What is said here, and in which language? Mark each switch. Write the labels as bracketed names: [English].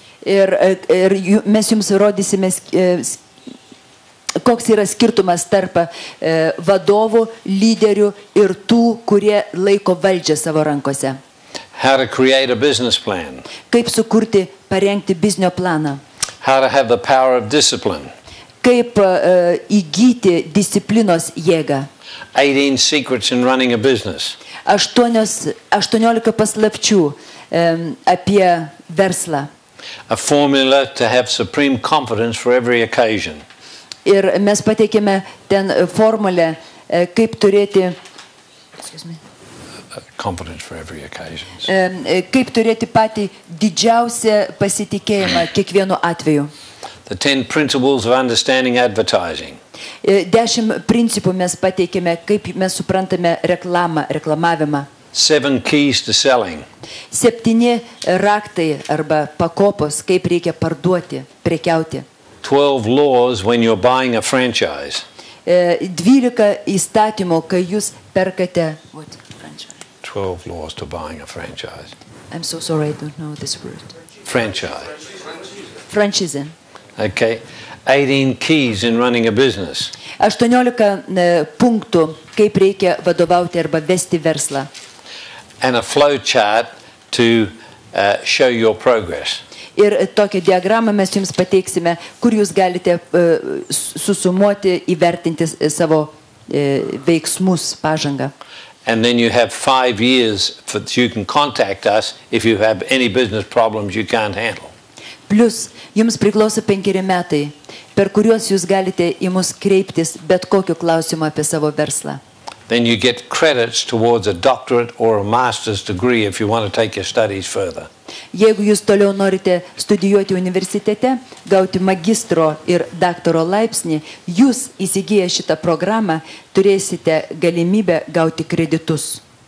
[Lithuanian] Ir mes jums rodysime, koks yra skirtumas tarp vadovų, lyderių ir tų, kurie laiko valdžią savo rankose. [English] How to create a business plan. [Lithuanian] Kaip sukurti, parengti biznio planą. [English] How to have the power of discipline. [Lithuanian] Kaip įgyti disciplinos jėgą. [English] 18 secrets in running a business. [Lithuanian] 18 paslapčių apie verslą. [English] A formula to have supreme confidence for every occasion. [Lithuanian] Ir mes pateikėme ten formulę, kaip turėti [English] confidence for every occasion. [Lithuanian] Kaip turėti patį didžiausią pasitikėjimą kiekvienu atveju. [English] The 10 principles of understanding advertising. [Lithuanian] 10 principų mes pateikėme, kaip mes suprantame reklamą, reklamavimą. [English] 7 keys to selling. [Lithuanian] 7 raktai arba pakopos, kaip reikia parduoti, prekiauti. [English] 12 laws when you're buying a franchise. [Lithuanian] 12 įstatymų, kai jūs perkate. [English] What franchise? 12 laws to buying a franchise. I'm so sorry, I don't know this word. Franchise. Franchise. Okay. 18 keys in running a business. [Lithuanian] 18 punktų, kaip reikia vadovauti arba vesti verslą. [English] And a flow chart to show your progress. [Lithuanian] Ir tokią diagramą mes jums pateiksime, kur jūs galite susumuoti, įvertinti savo veiksmus, pažangą. [English] And then you have 5 years for you can contact us if you have any business problems you can't handle. [Lithuanian] Plus, jums priklauso 5 metai, per kuriuos jūs galite į mus kreiptis bet kokiu klausimu apie savo verslą. [English] Then you get credits towards a doctorate or a master's degree if you want to take your studies further. [Lithuanian] Jeigu jūs toliau norite studijuoti universitete, gauti magistro ir daktaro laipsnį, jūs įsigiję šitą programą turėsite galimybę gauti kreditus.